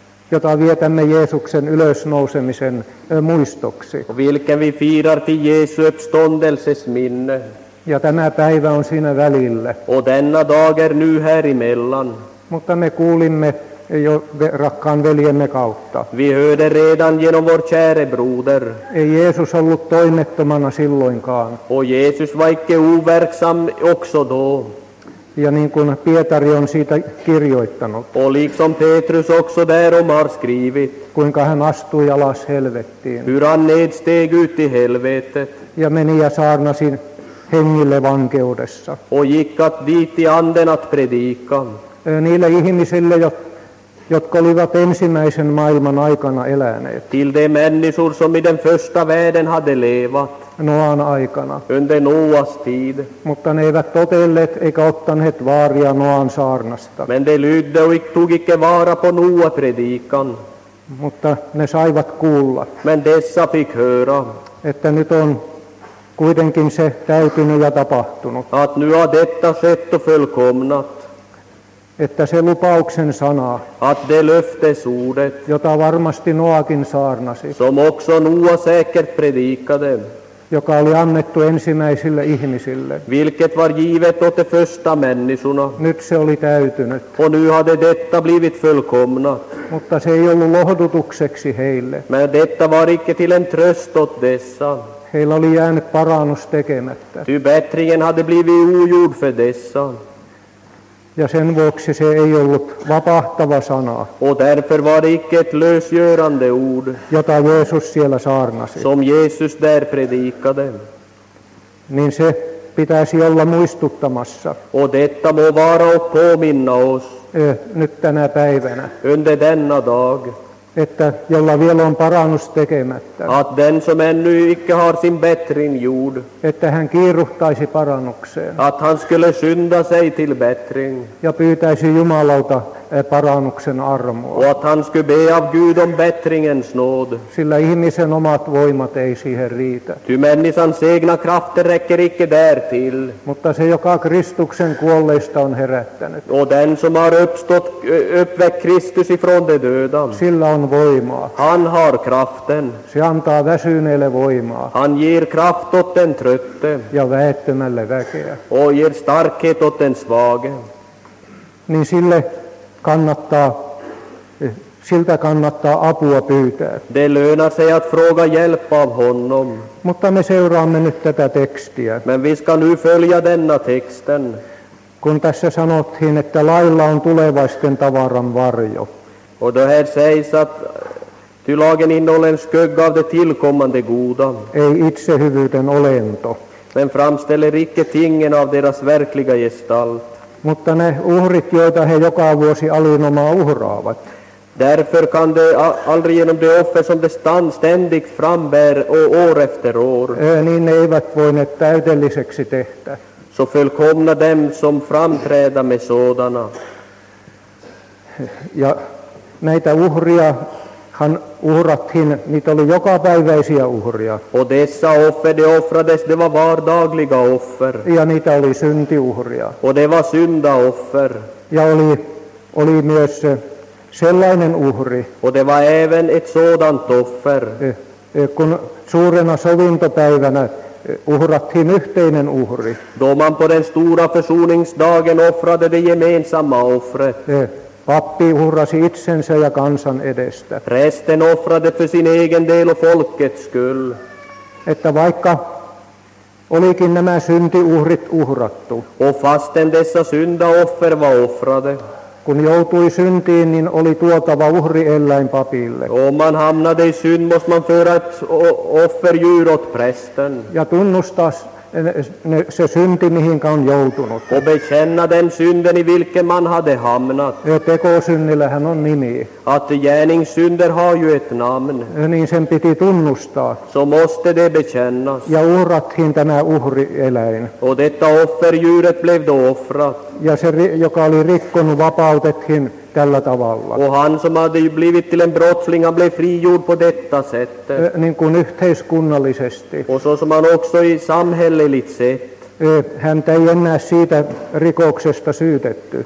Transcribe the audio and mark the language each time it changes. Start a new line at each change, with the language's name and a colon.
Finnish: Jota vietämme Jeesuksen ylösnousemisen muistoksi.
Swedish: Vilken vi firar till Jesu uppståndelses minne.
Finnish: Ja tämä päivä on siinä välillä.
Swedish: Och denna dag är nu här emellan.
Finnish: Mutta me kuulimme jo rakkaan veljemme kautta.
Swedish: Vi hörde redan genom vår käre broder.
Finnish: Ei Jeesus ollut toimettomana silloinkaan.
Swedish: Och Jeesus vaikke overksam också då.
Finnish: Ja niin kuin Pietari on siitä kirjoittanut.
Swedish: Och liksom Petrus också där om har skrivit.
Finnish: Kuinka hän astui alas helvettiin.
Swedish: Hur han nedsteg ut i helvetet.
Finnish: Ja meni ja saarnasi hengille vankeudessa.
Swedish: Och gick att dit i anden att predika.
Finnish: Niille ihmisille, jotka olivat ensimmäisen maailman aikana eläneet.
Swedish: Till de människor som i den första världen hade levat.
Finnish: Noan aikana.
Swedish: Under Noas tid.
Finnish: Mutta ne eivät totelleet eikä ottaneet vaaria Noan saarnasta.
Swedish: Men de lydde och tog icke vara på Noa predikan.
Finnish: Mutta ne saivat kuulla.
Swedish: Men dessa fick höra.
Finnish: Että nyt on kuitenkin se täytynyt ja tapahtunut.
Swedish: Att nu har detta skett och fullkomnat.
Finnish: Että se lupauksen sana,
Swedish: att det löftesordet,
Finnish: jota varmasti Noakin saarnasi,
Swedish: som också Noa säkert predikade,
Finnish: joka oli annettu ensimmäisille ihmisille,
Swedish: vilket var givet åt de första människorna,
Finnish: nyt se oli täytynyt,
Swedish: och nu hade detta blivit fullkomna,
Finnish: mutta se ei ollut lohdutukseksi heille,
Swedish: men detta var icke till en tröst åt dessa.
Finnish: Heillä oli jäänyt parannus tekemättä.
Swedish: Ty bättringen hade blivit ogjord för dessa.
Finnish: Ja sen vuoksi se ei ollut vapahtava sana.
Swedish: Och därför var det icke ett lösgörande ord.
Finnish: Jota Jeesus siellä saarnasi.
Swedish: Som Jesus där predikade.
Finnish: Niin se pitäisi olla muistuttamassa.
Swedish: Och detta må vara och påminna oss.
Finnish: Nyt tänä päivänä.
Swedish: Under denna dag.
Finnish: Että jolla vielä on parannus tekemättä.
Swedish: Att den som ännu icke har sin bättring gjord.
Finnish: Että hän kiiruhtaisi parannukseen.
Swedish: Att han skulle synda sig till bättring.
Finnish: Ja pyytäisi Jumalalta parannuksen armoa.
Swedish: Och att han skulle be av Gud om bättringens nåd.
Finnish: Sillä ihmisen omat voimat ei siihen riitä.
Swedish: Ty människans egna krafter räcker icke därtill.
Finnish: Mutta se, joka Kristuksen kuolleista on herättänyt.
Swedish: Och den som har uppväckt Kristus ifrån de döda.
Finnish: Sillä on voimaa.
Swedish: Han har kraften.
Finnish: Se antaa väsyneelle voimaa.
Swedish: Han ger kraft åt den trötte.
Finnish: Ja väettömälle väkeä.
Swedish: Och ger starkhet åt den svage.
Finnish: Niin sille kannattaa, siltä kannattaa apua pyytää.
Swedish: Det lönar sig att fråga hjälp av honom.
Finnish: Mutta me seuraamme nyt tätä tekstiä.
Swedish: Men vi ska nu följa denna texten.
Finnish: Kun tässä sanottiin, että lailla on tulevaisten tavaran varjo.
Swedish: Och då här sägs att ty lagen innehåller en skugga av det tillkommande goda.
Finnish: Ei itsehyvyyden olento.
Swedish: Men framställer icke tingen av deras verkliga gestalt.
Finnish: Mutta ne uhrit, joita he joka vuosi alinomaan uhraavat.
Swedish: Därför kan de aldrig genom det offer som de ständigt frambär år efter år.
Finnish: Niin ne eivät voineet täydelliseksi tehdä.
Swedish: Så fullkomna dem som framträda med sådana.
Finnish: Ja näitä uhria han uhrattiin, niitä oli jokapäiväisiä uhria.
Swedish: Och dessa offer, de offrades, de var vardagliga offer.
Finnish: Ja niitä oli syntiuhria.
Swedish: Och det var syndaoffer.
Finnish: Ja oli myös sellainen uhri.
Swedish: Och det var även ett sådant offer.
Finnish: Kun suurena sovintopäivänä uhrattiin yhteinen uhri.
Swedish: Då man på den stora försoningsdagen offrade det gemensamma offret.
Finnish: Pappi uhrasi itsensä ja kansan edestä.
Swedish: Prästen offrade för sin egen del och folkets skull.
Finnish: Että vaikka olikin nämä syntiuhrit uhrattu.
Swedish: Och fasten dessa syndaoffer var offrade.
Finnish: Kun joutui syntiin, niin oli tuotava uhrieläin papille.
Swedish: Om man hamnade i synd måste man föra ett offerdjur åt prästen.
Finnish: Ja tunnustaa se synti, mihinkä on joutunut.
Swedish: Och bekänna den synden i vilken man hade hamnat.
Finnish: Tekosynnillä hän on nimi.
Swedish: Att gärningssynder har ju ett namn.
Finnish: Niin sen piti tunnustaa.
Swedish: Så måste det bekännas.
Finnish: Ja uhrattiin tämä uhrieläin.
Swedish: Och detta offerdjuret blev då offrat.
Finnish: Ja se, joka oli rikkonut, vapautettiin tällä tavalla.
Swedish: Och han som hade blivit till en brottsling, han blev frigjord på detta sätt.
Finnish: Niin kuin yhteiskunnallisesti.
Swedish: Och så som han också i samhälleligt sätt.
Finnish: Häntä ei enää siitä rikoksesta syytetty.